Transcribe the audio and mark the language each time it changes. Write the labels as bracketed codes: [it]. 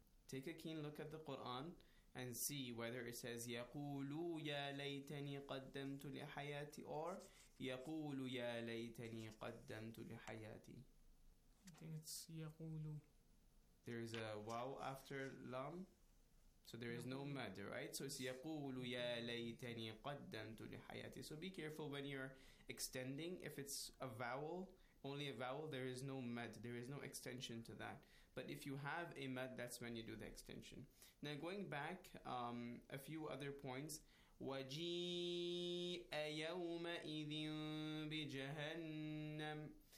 [en] Take a keen look at the Qur'an and see whether it says [ar] يَقُولُ يَا لَيْتَنِي قَدَّمْتُ لِحَيَاتِي [en] or يَقُولُ يَا لَيْتَنِي قَدَّمْتُ لِحَيَاتِي. I think it's يَقُولُ. There is a waw after lam, so there is no mad, right? So it's [ar] يَقُولُ يَا لَيْتَنِي قَدَّمْتُ لِحَيَاتِي. [en] So be careful when you're extending. If it's a vowel, only a vowel, there is no mad. There is no extension to that. But if you have a mad, that's when you do the extension. Now going back, a few other points. [ar] وجيء يومئذ بجهنم.